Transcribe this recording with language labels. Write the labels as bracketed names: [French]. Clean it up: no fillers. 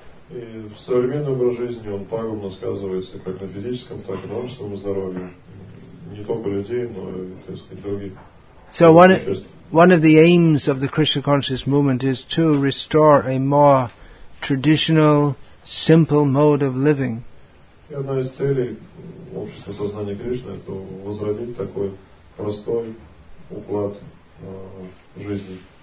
[Russian] И современный образ жизни, он пагубно сказывается как на физическом, так и на умственном здоровье. Не только людей, но и, так сказать, других. [English] So one of the aims of the Krishna Conscious Movement is to restore a more traditional, simple mode of living. [Russian] И одна из целей общества сознания Кришны – это возродить такой простой уклад жизни.